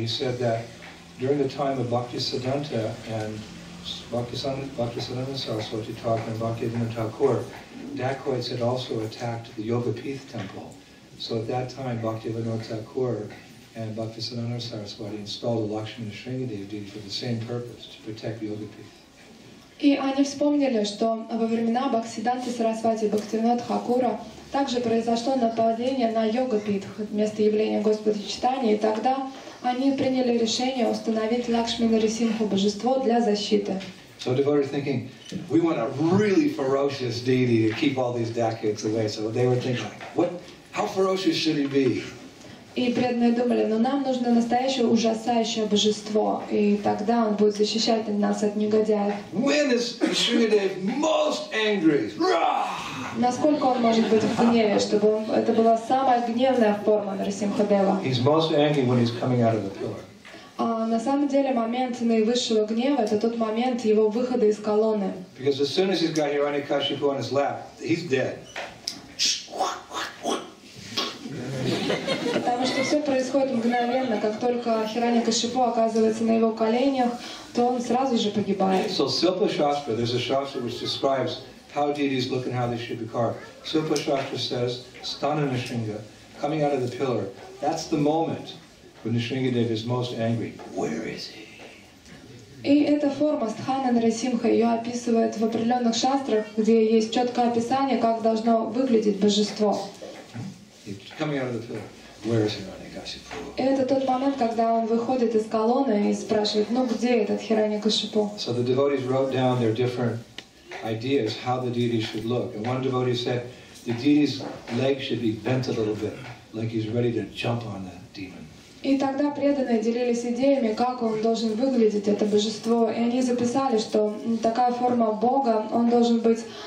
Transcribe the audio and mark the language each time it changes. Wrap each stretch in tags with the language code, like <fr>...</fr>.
<en>He said that during the time of Bhaktisiddhanta and Bhaktisiddhanta Saraswati Thakur and Bhaktivinoda Thakur, dacoits had also attacked the Yogapith temple. So at that time, Bhaktivinoda Thakur and Bhaktisiddhanta Saraswati installed a Lakshmi Nrisimhadeva deity for the same purpose, to protect Yogapith.</en> <ru>И они вспомнили, что во времена Бхактисиддханты Сарасвати и Бхактивинода Тхакура также произошло нападение на Йога-Питх, место явления Господа Чайтаньи, и тогда они приняли решение установить Лакшми Нарисимху, божество, для защиты.</ru> <en>So devotees were thinking, we want a really ferocious deity to keep all these dacoits away. So they were thinking, what, how ferocious should he be?</en> <ru>И преданные думали, ну нам нужно настоящее ужасающее божество, и тогда он будет защищать нас от негодяев.</ru> <en>When is Nrisimhadev most angry?</en> <ru>Насколько он может быть в гневе, чтобы это была самая гневная форма Нрисимхадева?</ru> <en>He's most angry when he's coming out of the pillar.</en> <ru>А на самом деле момент наивысшего гнева — это тот момент его выхода из колонны.</ru> <en>Because as soon as he's got Hiranyakashipu on his lap, he's dead.</en> <ru>Потому что все происходит мгновенно, как только Хираньякашипу оказывается на его коленях, то он сразу же погибает.</ru> <en>So Silpa Shastra, there's a shastra which describes how deities look and how they should be carved. Silpa Shastra says, Stana Nrisimha, coming out of the pillar, that's the moment when Nrisimhadev is most angry. Where is he?</en> <ru>И эта форма Стхана Нарисимха ее описывает в определенных шастрах, где есть четкое описание, как должно выглядеть божество.</ru> <en>Coming out of the pillar, where is Hiranyakashipu?</en> <ru>Это тот момент, когда он выходит из колонны и спрашивает, ну где этот Хираньякашипу?</ru> <en>So the devotees wrote down their different ideas how the deity should look. And one devotee said, the deity's leg should be bent a little bit, like he's ready to jump on that demon.</en> <ru>И тогда преданные делились идеями, как он должен выглядеть, это божество. И они записали, что такая форма Бога, он должен быть...</ru>